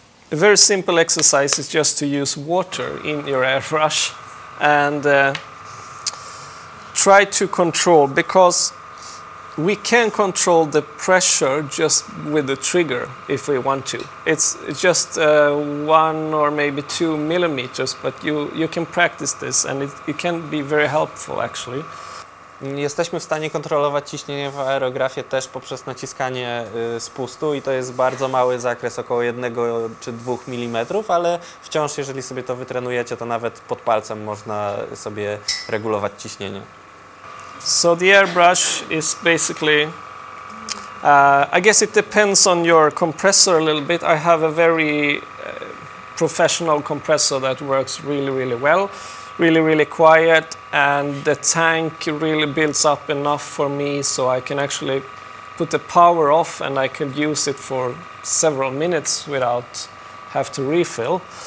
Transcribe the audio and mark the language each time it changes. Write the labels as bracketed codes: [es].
[en] A very simple exercise is just to use water in your airbrush and try to control, because we can control the pressure just with the trigger if we want to. It's just 1 or maybe 2 millimeters, but you can practice this and it can be very helpful actually. [pl] Jesteśmy w stanie kontrolować ciśnienie w aerografie też poprzez naciskanie spustu i to jest bardzo mały zakres, około 1 czy 2 mm, ale wciąż jeżeli sobie to wytrenujecie, to nawet pod palcem można sobie regulować ciśnienie. [en] So the airbrush is basically, I guess it depends on your compressor a little bit. I have a very professional compressor that works really, really well, really, really quiet, and the tank really builds up enough for me, so I can actually put the power off and I can use it for several minutes without have to refill.